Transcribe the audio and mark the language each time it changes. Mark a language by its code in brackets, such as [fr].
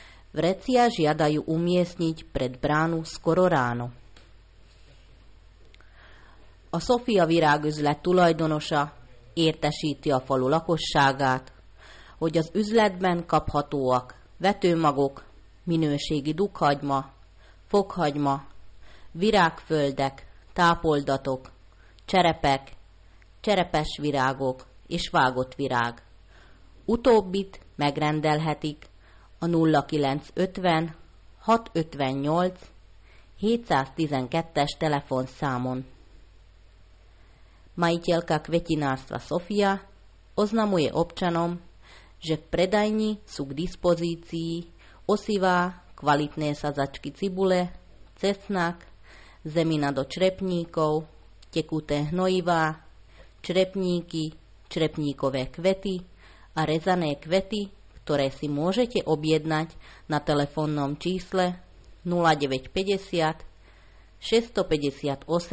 [sk] Vrecia žiadajú umiestniť pred bránu skoro ráno. [hu] A Sofia virágüzlet tulajdonosa értesíti a falu lakosságát, hogy az üzletben kaphatóak vetőmagok, minőségi dukhagyma, fokhagyma, virágföldek, tápoldatok, cserepek, cserepes virágok és vágott virág. Utóbbit megrendelhetik a 0950 658 712-es telefonszámon. [sk] Majiteľka kvetinárstva Sofia oznamuje občanom, že v predajni sú k dispozícii osivá, kvalitné sazačky cibule, cesnak, zemina do črepníkov, tekuté hnojivá, črepníky, črepníkové kvety a rezané kvety, ktoré si môžete objednať na telefónnom čísle 0950 658 712.